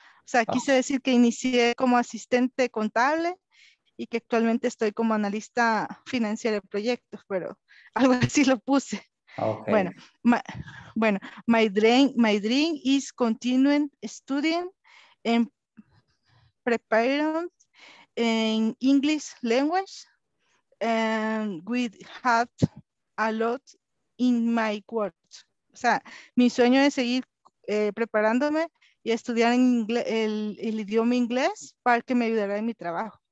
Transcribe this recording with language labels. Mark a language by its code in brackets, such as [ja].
[es] O sea, quise decir que inicié como asistente contable y que actualmente estoy como analista financiero de proyectos, pero algo así lo puse. Okay. [en] Bueno, my dream is continuing studying and preparing in English language, and we have a lot in my world. [es] O sea, mi sueño es seguir preparándome y estudiar en inglés, el idioma inglés para que me ayudara en mi trabajo.